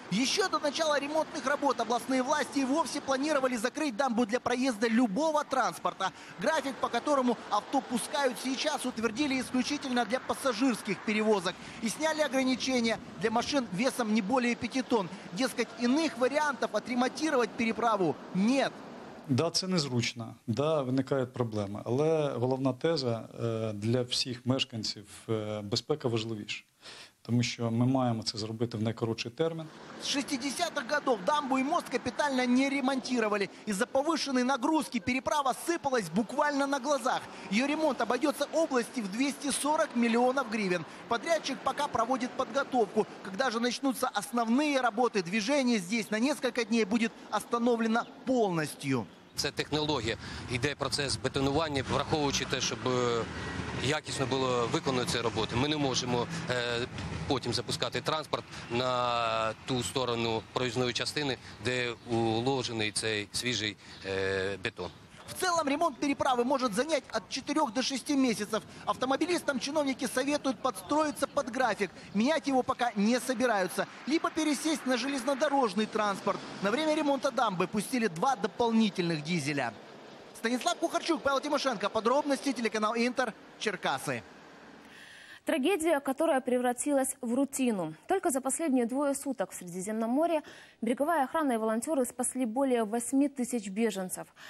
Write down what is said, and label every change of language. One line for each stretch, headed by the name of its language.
Russian: Еще до начала ремонтных работ областные власти и вовсе планировали закрыть дамбу для проезда любого транспорта. График, по которому авто пускают сейчас, утвердили исключительно для пассажирских перевозок. И сняли ограничения для машин весом не более 5 тонн. Дескать, иных вариантов отремонтировать переправу нет.
Ukrainian: Да, це незручно, да, виникають проблеми, але головна теза для всіх мешканців – безпека важливіша. Тому що ми маємо це зробити в найкоротший термін. З 60-х годів дамбу і мост капітально не ремонтували. Із-за повищеної нагрузки переправа сипалась буквально на глазах. Її ремонт обійдеться області в 240 мільйонів гривень. Подрядчик поки проводить підготовку. Коли ж почнуться основні роботи, движення здесь на кілька днів буде остановлено повністю. Це технологія. Йде процес бетонування, враховуючи те, щоб якісно було виконано ці роботи. Ми не можемо потім запускати транспорт на ту сторону проїзної частини, де уложений цей свіжий бетон. В цілому ремонт переправи може зайняти від 4 до 6 місяців. Автомобілістам чиновники советують підстроїтися під графік. Міняти його поки не збираються. Либо пересісти на железнодорожний транспорт.
Russian: На время ремонту дамби пустили два дополнительних дизеля. Станислав Кухарчук, Павел Тимошенко. Подробности, телеканал Интер, Черкасы. Трагедия, которая превратилась в рутину. Только за последние двое суток в Средиземноморье береговая охрана и волонтеры спасли более 8 тысяч беженцев.